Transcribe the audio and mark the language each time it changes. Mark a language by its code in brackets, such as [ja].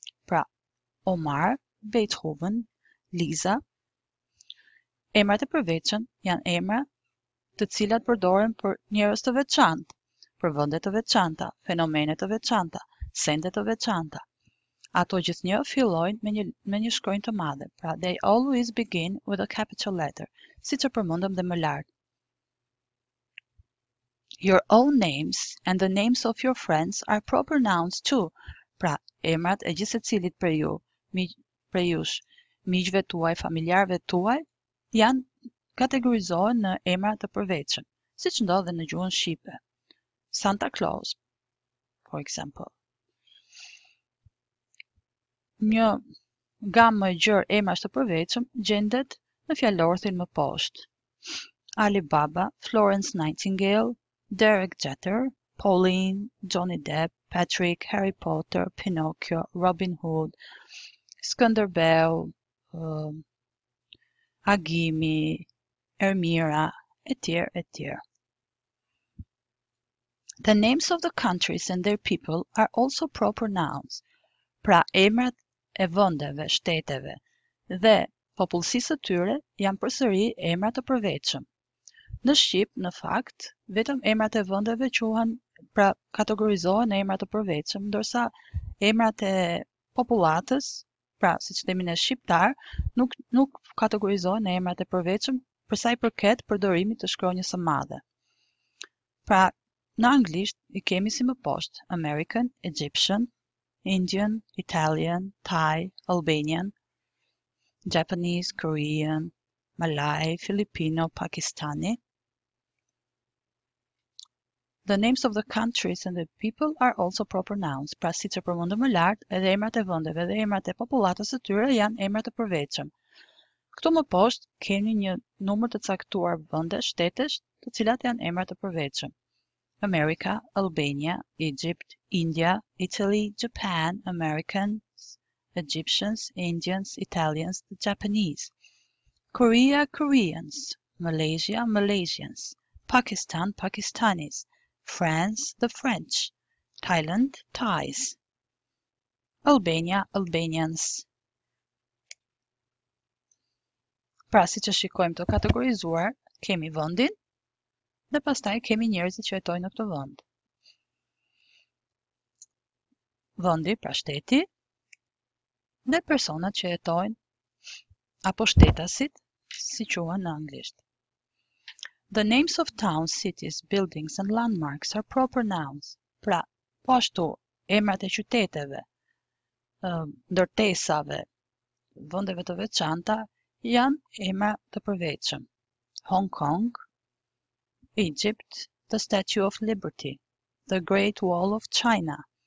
[sq] Pra, Omar, Beethoven, Liza, emrat e përveçëm janë emra të cilat përdoren për njerëz të veçantë, për vende të veçanta, fenomene të veçanta, sende të veçanta. Ato gjithnjë fillojnë me një shkronjë të madhe, pra [en] they always begin with a capital letter, [sq] siç e përmendëm dhe më lart. [en] Your own names and the names of your friends are proper nouns too. [sq] Pra, emrat e gjithë secilit për ju, prej jush, miqve tuaj, familjarëve tuaj, janë kategorizohen në emra të përveçëm, siç ndodhet në gjuhën shqipe. [en] Santa Claus, for example. [sq] Një gamë e gjërë emrash të përveçëm gjendet në fjallorthin më poshtë. Alibaba, Florence Nightingale, Derek Jeter, Pauline, Johnny Depp, Patrick, Harry Potter, Pinocchio, Robin Hood, Skënderbeu, Agimi, Ermira, etj. [en] The names of the countries and their people are also proper nouns. [sq] Pra, emrat e vendeve, shteteve dhe popullsisë së tyre janë përsëri emra të përveçëm. Në Shqip, në fakt, vetëm emrat e vendeve quhen, pra kategorizohen në emra të përveçëm, ndërsa emrat e popullatës, pra siç themin e shqiptar, nuk kategorizohen në emrat e përveçëm për sa i përket përdorimit të shkronjës së madhe. Pra, në anglisht i kemi si më poshtë American, Egyptian, Indian, Italian, Thai, Albanian, Japanese, Korean, Malay, Filipino, Pakistani. [en] The names of the countries and the people are also proper nouns. [sq] Pra siç e përmendëm më lart, edhe emrat e vendeve dhe emrat e popullatës së tyre janë emra të përveçëm. Këtu më poshtë keni një numër të caktuar vende, shtetesh, të cilat janë emra të përveçëm. [en] America, Albania, Egypt, India, Italy, Japan, Americans, Egyptians, Indians, Italians, the Japanese. Korea, Koreans, Malaysia, Malaysians, Pakistan, Pakistanis, France, the French, Thailand, Thais, Albania, Albanians. [sq] Pra, si që shikojmë të kategorizuar, kemi vendin, dhe pastaj kemi njerëzit që jetojnë në këtë vend. Vendi, pra shteti, dhe personat që jetojnë, apo shtetasit, si quhen në anglisht. [en] The names of towns, cities, buildings and landmarks are proper nouns. [sq] Pra, po ashtu, emrat e qyteteve, ndërtesave, vendeve të veçanta, janë emra të përveçëm. [en] Hong Kong, Egypt, the Statue of Liberty, the Great Wall of China.